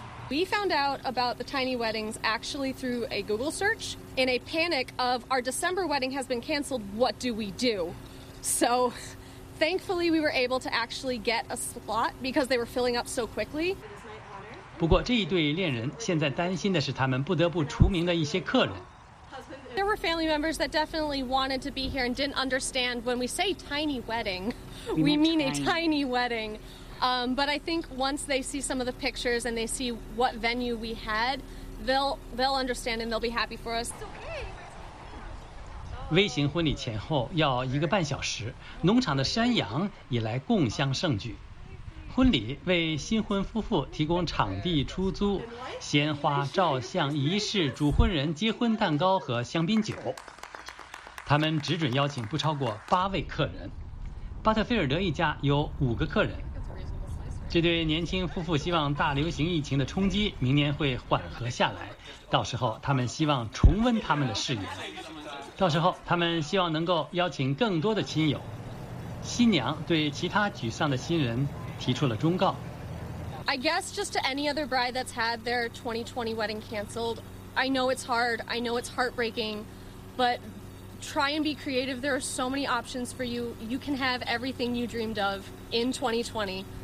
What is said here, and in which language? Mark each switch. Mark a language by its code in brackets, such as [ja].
[en] We found out about the tiny weddings actually through a Google search. In a panic of our December wedding has been canceled, what do we do? So. Thankfully, we were able to actually get a slot because they were filling up so quickly. [zh] 不过这一对恋人现在担心的是他们不得不除名的一些客人。 [en] There were family members that definitely wanted to be here and didn't understand when we say tiny wedding, we mean a tiny wedding. But I think once they see some of the pictures and they see what venue we had, they'll understand and they'll be happy for us. [zh] 微型婚礼前后要1.5小时，农场的山羊也来共襄盛举。婚礼为新婚夫妇提供场地出租、鲜花、照相、仪式、主婚人结婚蛋糕和香槟酒。他们只准邀请不超过8位客人。巴特菲尔德一家有5个客人。这对年轻夫妇希望大流行疫情的冲击明年会缓和下来，到时候他们希望重温他们的誓言。到时候他们希望能够邀请更多的亲友。新娘对其他沮丧的新人提出了忠告。 [en] I guess just to any other bride that's had their 2020 wedding canceled, I know it's hard, I know it's heartbreaking, but try and be creative. There are so many options for you. You can have everything you dreamed of in 2020.